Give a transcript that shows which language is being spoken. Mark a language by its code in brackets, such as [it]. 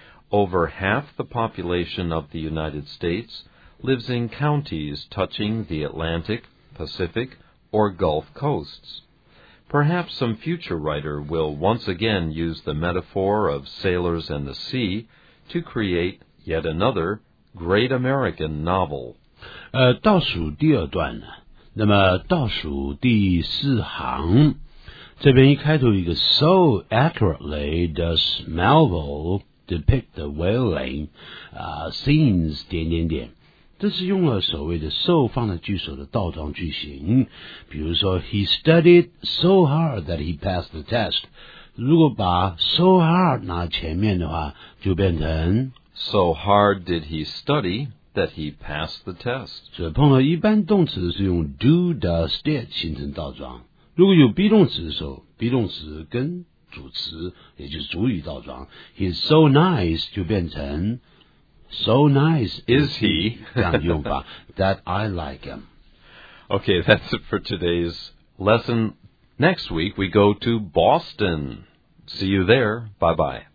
[en] Over half the population of the United States lives in counties touching the Atlantic, Pacific, or Gulf coasts. Perhaps some future writer will once again use the metaphor of sailors and the sea to create yet another great American novel. [zh] 倒数第二段呢，那么倒数第四行，这边一开头一个 [en] So accurately does Melville depict the whaling scenes [zh] 点点点，这是用了所谓的 so 放在句首的倒装句型，比如说 [en] He studied so hard that he passed the test， [zh] 如果把 [en] so hard [zh] 拿前面的话，就变成 [en] So hard did he studythat he passed the test. [zh] 所以碰到一般动词是用 do, does, did 形成倒装。如果有 be 动词的时候 ,be 动词跟主词也就是主语倒装。 [en] He's so nice [zh] 就变成 [en] so nice is he, [zh] 这样用法 [en] that I like him. Okay, that's it for today's lesson. Next week we go to Boston. See you there. Bye-bye.